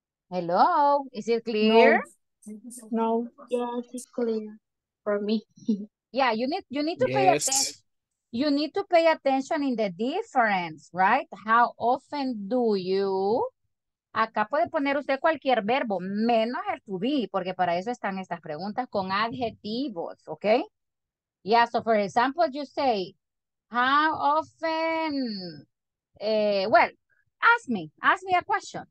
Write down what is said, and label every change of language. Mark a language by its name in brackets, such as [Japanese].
[English] Hello, is it clear? No. Yes, it's clear for me. Yeah, you need to yes. Pay attention. You need to pay attention in the difference, right? How often do you? [Spanish] Acá puede poner usted cualquier verbo, menos el to be, porque para eso están estas preguntas con adjetivos, okay? [English] Yeah, so for example, you say, how often, ask me a question.